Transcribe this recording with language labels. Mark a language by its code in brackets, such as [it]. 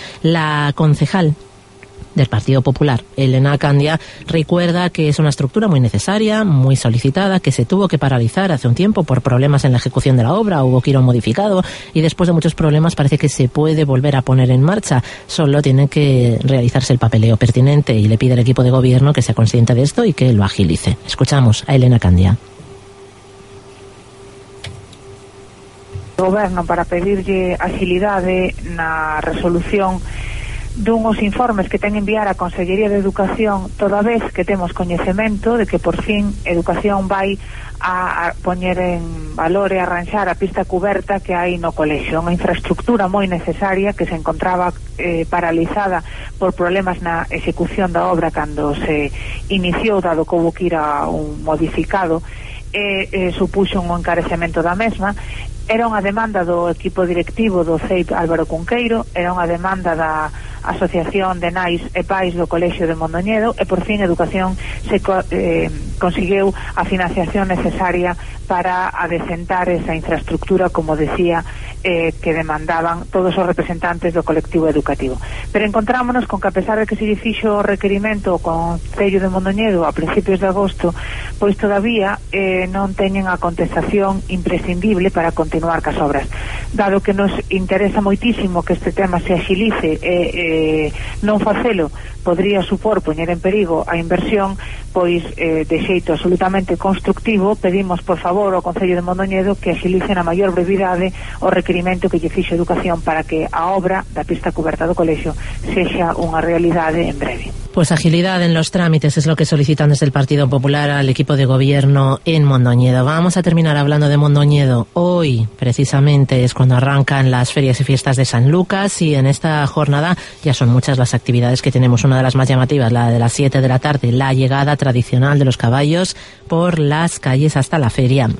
[es] La concejal del Partido Popular, Elena Candia, recuerda que es una estructura muy necesaria, muy solicitada, que se tuvo que paralizar hace un tiempo por problemas en la ejecución de la obra, hubo que ir a un modificado y después de muchos problemas parece que se puede volver a poner en marcha. Solo tiene que realizarse el papeleo pertinente y le pide al equipo de gobierno que sea consciente de esto y que lo agilice. Escuchamos a Elena Candia. [gl] Goberno para pedirlle agilidade na resolución dunhos informes que ten enviar a Consellería de Educación, toda vez que temos coñecemento de que por fin Educación vai a poñer en valor e arranxar a pista cuberta que hai no colexio, unha infraestructura moi necesaria que se encontraba paralizada por problemas na execución da obra cando se iniciou, dado que houve que ir a un modificado supuxo un encarecemento da mesma. Era unha demanda do equipo directivo do CEIP Álvaro Cunqueiro, era unha demanda da Asociación de Nais e Pais do Colexio de Mondoñedo, e por fin Educación se conseguiu a financiación necesaria para adecentar esa infraestructura, como decía, que demandaban todos os representantes do colectivo educativo. Pero encontrámonos con que, a pesar de que se lle fixo o requerimento ao Concello de Mondoñedo a principios de agosto, pois todavía non teñen a contestación imprescindible para continuar cas obras. Dado que nos interesa moitísimo que este tema se axilice, non facelo podría supor poñer en perigo a inversión, pois de xeito absolutamente constructivo pedimos por favor ao Concello de Mondoñedo que axilice na maior brevidade o requerimento que lle fixo Educación para que a obra da pista cuberta do colexio sexa unha realidade en breve. [es] Pues agilidad en los trámites es lo que solicitan desde el Partido Popular al equipo de gobierno en Mondoñedo. Vamos a terminar hablando de Mondoñedo. Hoy, precisamente, es cuando arrancan las ferias y fiestas de San Lucas, y en esta jornada ya son muchas las actividades que tenemos. Una de las más llamativas, la de las 7 de la tarde, la llegada tradicional de los caballos por las calles hasta la feria.